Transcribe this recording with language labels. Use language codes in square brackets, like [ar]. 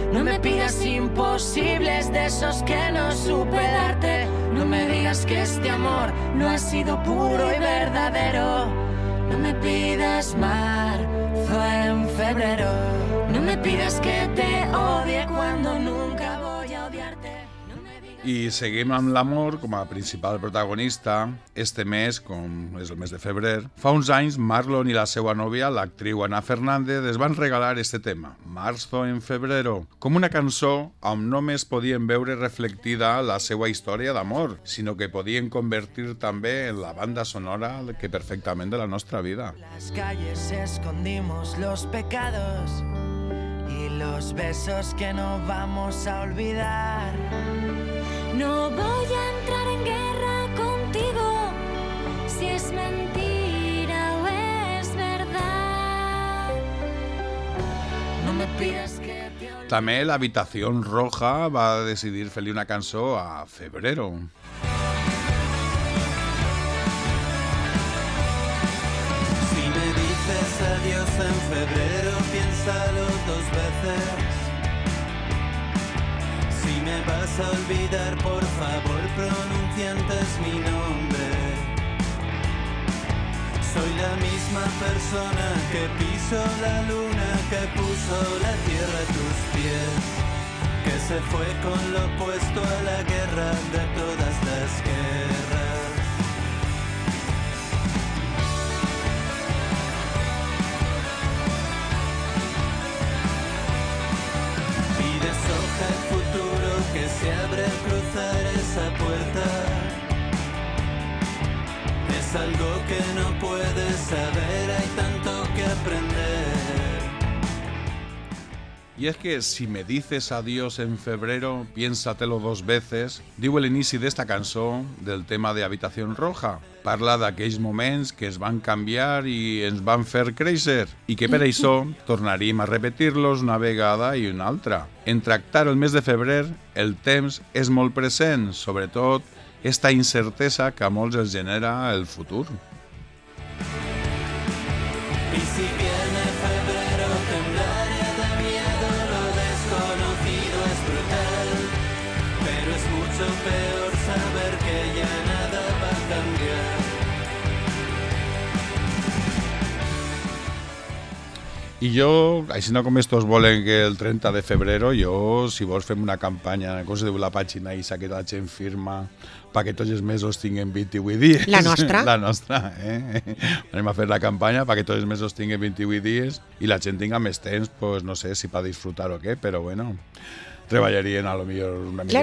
[es] No me pidas imposibles de esos que no supe darte. No me digas que este amor no ha sido puro y verdadero. No me pidas marzo en febrero. No me pidas que te odie cuando nunca voy a odiarte. No me digas... [ca] I seguim amb l'amor com a principal protagonista. Este mes, com és el mes de febrer, fa uns anys Marlon i la seva nòvia, l'actriu Ana Fernández, es van regalar este tema, Marzo en febrero, com una cançó on només podien veure reflectida la seva història d'amor, sinó que podien convertir també en la banda sonora que perfectament de la nostra vida. [es] Las calles escondimos los pecados y los besos que no vamos a olvidar. No voy a entrar en guerra contigo. Si es mentira o es verdad. No me pides que te olvide. [ca] També l'Habitació Roja va decidir fer-li una cançó a febrero. [es] Si me dices adiós en febrero, piénsalo dos veces. Si me vas a olvidar, por favor, pronuncia antes mi nombre. Soy la misma persona que pisó la luna, que puso la tierra a tus pies, que se fue con lo opuesto a la guerra de todas las guerras. Y deshoja el futuro que se abre al cruzar esa puerta. Es algo que no puedes saber, hay tanto que aprender. Y es que si me dices adiós en febrero, piénsatelo dos veces, digo el inicio de esta canción del tema de Habitación Roja. [ca] Parla d'aquells moments que es van canviar i ens van fer créixer i que per això tornarem a repetir-los una vegada i una altra. En tractar el mes de febrer, el temps és molt present, sobretot esta incertesa que a molts els genera el futur. [es] I si viene febrero, temblaré de miedo, lo desconocido es brutal, pero es mucho peor saber que ya nada va a cambiar. [ca] I jo, així no com estos volen que el 30 de febrero, jo, si vols, fem una campanya, com se diu la pàgina i s'ha quedat gent firma, perquè tots els mesos tinguin 28 dies. La nostra? La nostra, eh? Anem a fer la campanya perquè tots els mesos tinguin 28 dies i la gent tinga més temps, pues, no sé si per disfrutar o què, però bueno, treballarien a lo millor una miqueta